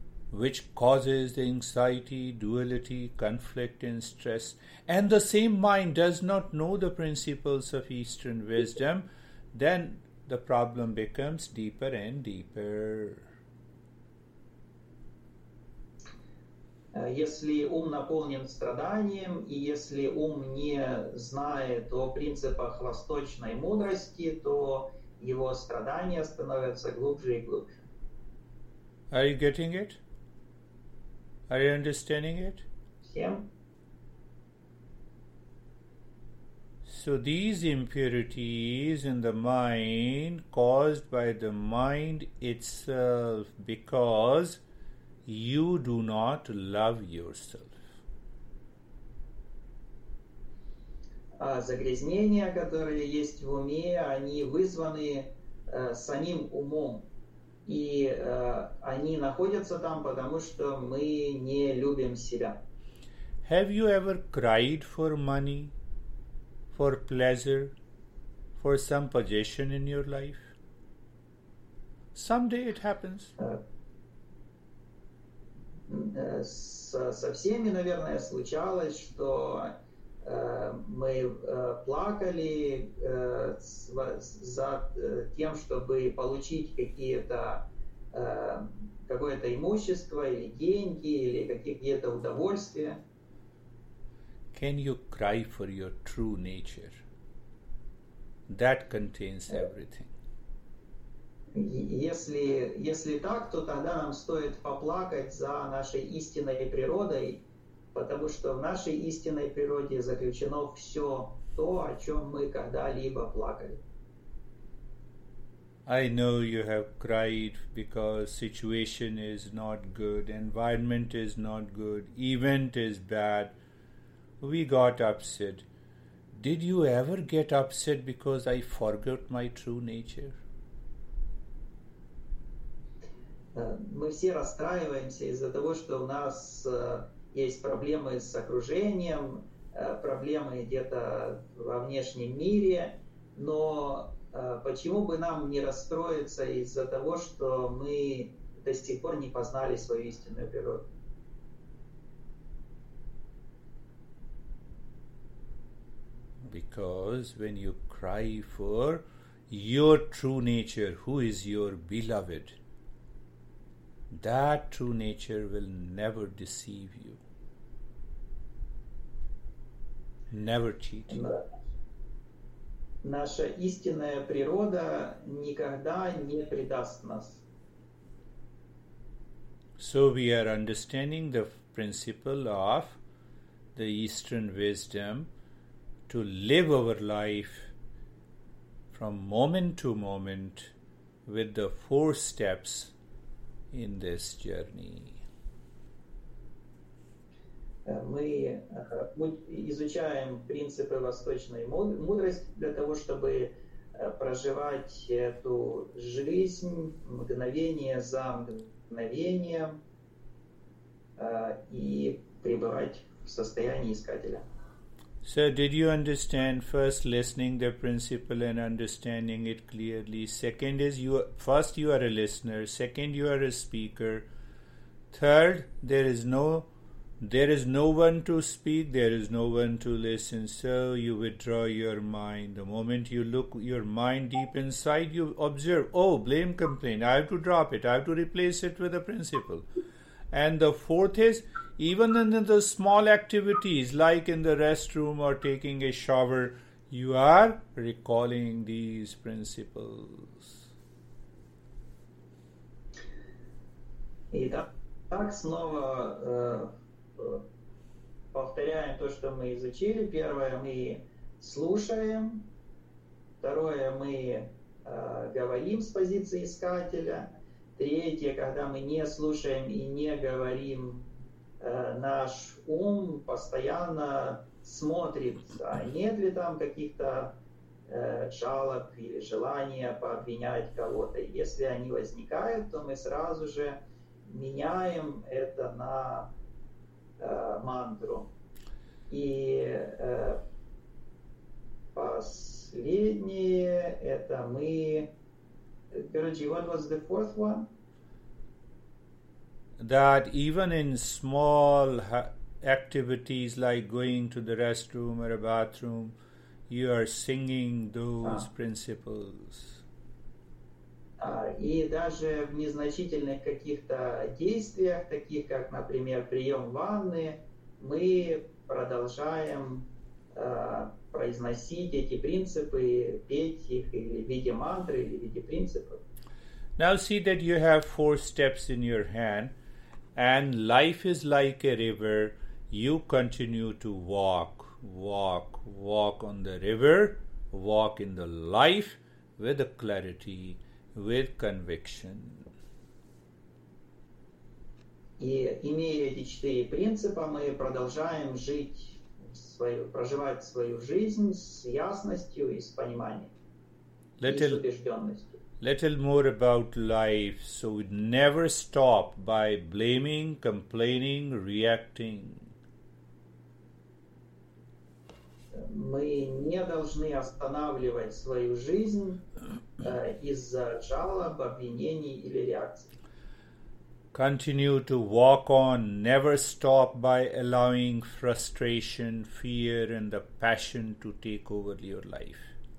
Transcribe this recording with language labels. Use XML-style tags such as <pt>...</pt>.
<en>which causes the anxiety, duality, conflict, and stress, and the same mind does not know the principles of Eastern wisdom, then the problem becomes deeper and deeper.</en> <ru>Если ум наполнен страданием, и если ум не знает о принципах восточной мудрости, то его страдания становятся глубже и глубже.</ru> <en>Are you getting it? Are you understanding it?</en> <ru>Всем?</ru> <en>So these impurities in the mind caused by the mind itself because you do not love yourself.</en> <ru>Загрязнения, которые есть в уме, они вызваны самим умом. И они находятся там, потому что мы не любим себя.</ru> <en>Have you ever cried for money, for pleasure, for some possession in your life? Someday it happens.</en> <ru>Со всеми, наверное, случалось, что мы плакали за тем, чтобы получить какое-то имущество или деньги или какие-то удовольствия.</ru> <en>Can you cry for your true nature? That contains everything.</en> <ru>Если так, то тогда нам стоит поплакать за нашей истинной природой, потому что в нашей истинной природе заключено все то, о чем мы когда-либо плакали.</ru> <en>I know you have cried because situation is not good, environment is not good, event is bad. We got upset. Did you ever get upset because I forgot my true nature?</en> <ru>Мы все расстраиваемся из-за того, что у нас есть проблемы с окружением, проблемы где-то во внешнем мире, но почему бы нам не расстроиться из-за того, что мы до сих пор не познали свою истинную природу?</ru> <en>Because when you cry for your true nature, who is your beloved, that true nature will never deceive you, never cheat you.</en> <ru>Наша истинная природа никогда не предаст нас.</ru> <en>So we are understanding the principle of the Eastern wisdom to live our life from moment to moment with the four steps in this journey.</en> <ru>Мы изучаем принципы восточной мудрости для того, чтобы проживать эту жизнь мгновение за мгновением и пребывать в состоянии искателя.</ru> <en>So did you understand first listening the principle and understanding it clearly? Second is you are a listener. Second, you are a speaker. Third, there is no one to speak, there is no one to listen. So you withdraw your mind. The moment you look your mind deep inside, you observe, oh, blame, complain. I have to drop it. I have to replace it with a principle. And the fourth is, even in the small activities, like in the restroom or taking a shower, you are recalling these principles.</en> <ru>Итак, снова повторяем то, что мы изучили. Первое, мы слушаем. Второе, мы говорим с позиции искателя. Третье, когда мы не слушаем и не говорим, наш ум постоянно смотрит, а нет ли там каких-то жалоб или желания пообвинять кого-то. Если они возникают, то мы сразу же меняем это на мантру. И последнее это мы... Короче,</ru> <en>what was the fourth one? that even in small activities like going to the restroom or a bathroom, you are singing those principles.</en> <ru>И даже в незначительных каких-то действиях, таких как, например, прием ванны, мы продолжаем произносить эти принципы, петь их или в виде мантры, или в виде принципов.</ru> <en>Now see that you have four steps in your hand, and life is like a river. You continue to walk, walk, walk on the river, walk in the life with the clarity, with conviction.</en> <ru>И имея эти четыре принципа, мы продолжаем жить, проживать свою жизнь с ясностью и с пониманием,</ru> <en>little,</en> <ru>и с убежденностью.</ru> <en>Little more about life, so we never stop by blaming, complaining, reacting.</en> <ru>Мы не должны останавливать свою жизнь из-за жалоб, обвинений или реакций.</ru> <en>Continue to walk on, never stop by allowing frustration, fear and the passion to take over your life.</en>